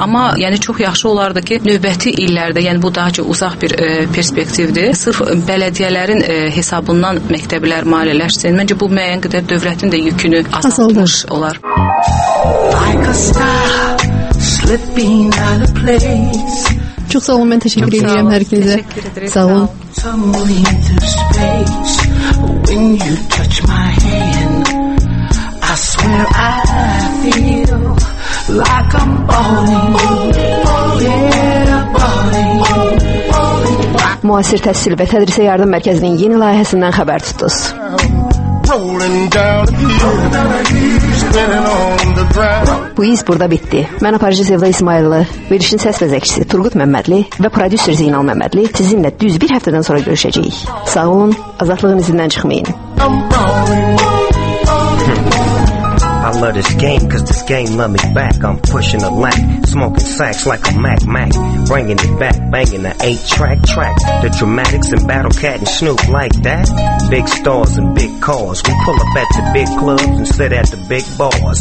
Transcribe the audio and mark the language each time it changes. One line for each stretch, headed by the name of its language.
Azerbaijani: Amma yəni çox yaxşı olardı ki, növbəti illərdə, yəni bu daha çox uzaq bir perspektivdir, sırf bələdiyyələrin hesabından məktəblər maliyyələşsin. Məncə bu müəyyən qədər dövlətin də yükünü azaldır olar. Çox sağ olun, mən təşəkkür edirəm hər kəsə. Sağ olun.
English: Tumbling through space, when you touch my hand, I swear I feel like I'm falling, falling.
Azerbaijani: Müasir təhsil və tədrisə yardım mərkəzinin yeni layihəsindən xəbər tutduz. Bu iz burada bitdi. Mən aparıcı Sevda İsmayıllı, verişin səs bəzəkçisi Turqut Məmmədli və prodüser Zeynal Məmmədli sizinlə düz bir həftədən sonra görüşəcəyik. Sağ olun, azadlığın izindən çıxmayın.
English: I love this game, cause this game love me back. I'm pushing a lack, smoking sacks like a Mac Mac. Bringing it back, banging the 8-track track. The dramatics and Battle Cat and Snoop like that. Big stars and big cars. We pull up at the big clubs and sit at the big bars.